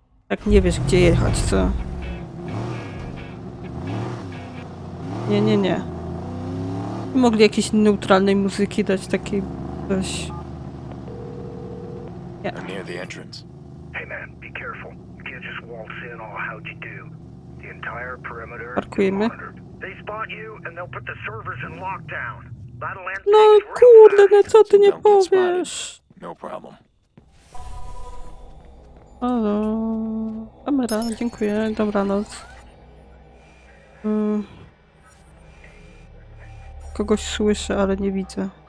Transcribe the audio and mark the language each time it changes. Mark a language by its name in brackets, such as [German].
[Polish] Jak nie wiesz, gdzie jechać, co? Nie, nie, nie. Mogli jakiejś neutralnej muzyki dać, takiej coś. [English] Near the entrance. Hey man, be careful. You can't just waltz in all how'd you do. The entire perimeter. [Polish] Parkujemy. [English] They spot you and they'll put the servers in lockdown. [Polish] No kurde, no co ty nie powiesz? [English] No problem. [Polish] Halo. Kamera, dziękuję. Dobranoc. Kogoś słyszę, ale nie widzę.